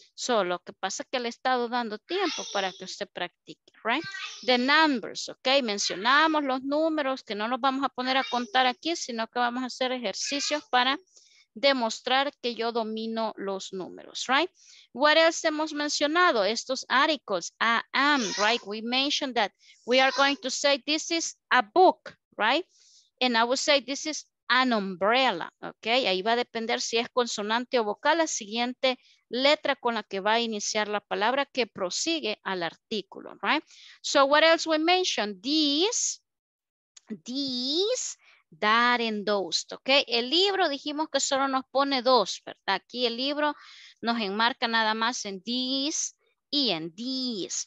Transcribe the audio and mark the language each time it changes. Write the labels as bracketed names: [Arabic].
[Spanish] So, lo que pasa es que le he estado dando tiempo para que usted practique, right? [English] The numbers, [Spanish] ok. Mencionamos los números, que no los vamos a poner a contar aquí, sino que vamos a hacer ejercicios para demostrar que yo domino los números, right? [English] What else [Spanish] hemos mencionado? Estos [English] articles, I am, right? We mentioned that we are going to say this is a book, right? And I would say this is an umbrella, okay? [Spanish] Ahí va a depender si es consonante o vocal la siguiente letra con la que va a iniciar la palabra que prosigue al artículo, right? [English] So what else we mentioned? These, that and those, ok. [Spanish] El libro dijimos que solo nos pone dos, ¿verdad? Aquí el libro nos enmarca nada más en these y en these.